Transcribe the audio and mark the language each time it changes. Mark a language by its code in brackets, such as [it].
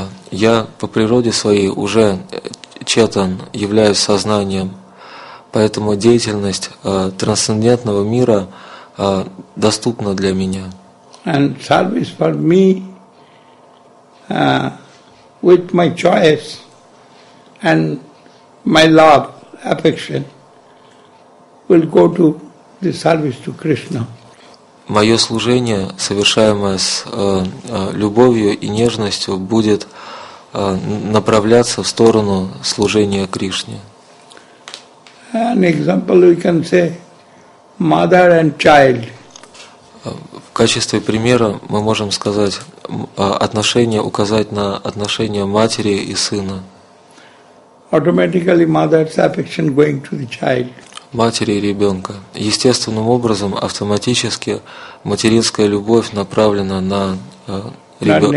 [ru] Я по природе своей уже Четан, являюсь сознанием, поэтому деятельность трансцендентного мира доступна для меня. [en] And service for me with my choice and my love, affection will go to the service to Krishna. [ru] Мое служение, совершаемое с любовью и нежностью, будет направляться в сторону служения Кришне. [en] An example we can say mother and child. [ru] В качестве примера мы можем сказать отношение, указать на отношения матери и сына. [en] Automatically mother's affection going to the child. [ru] Матери и ребенка. Естественным образом автоматически материнская любовь направлена на ребенка.